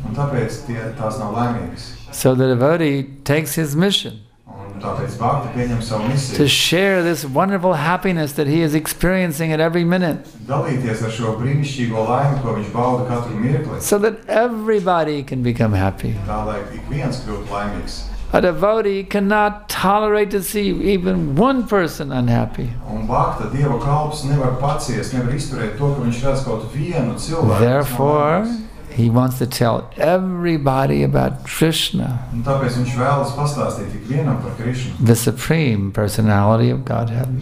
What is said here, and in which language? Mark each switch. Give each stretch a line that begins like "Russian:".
Latvian: Un tāpēc tie, tās nav laimīgas.
English: So the devotee takes his mission.
Latvian: Un tāpēc bhakti pieņem savu misiju.
English: To share this wonderful happiness that he is experiencing at every minute.
Latvian: Dalīties ar šo brīnišķīgo laimi, ko viņš bauda katru mirkli.
English: So that everybody can become happy.
Latvian: Tā lai ikviens kļūt laimīgs.
English: A devotee cannot tolerate to see even one person unhappy.
Latvian: Un bhakta, Dieva kalps, nevar paciest, nevar izturēt to, ka viņš redz kaut vienu cilvēku.
English: Therefore, he wants to tell everybody about Krishna.
Latvian: Un tāpēc viņš vēlas pastāstīt ikvienam par Krishna.
English: The Supreme Personality of Godhead.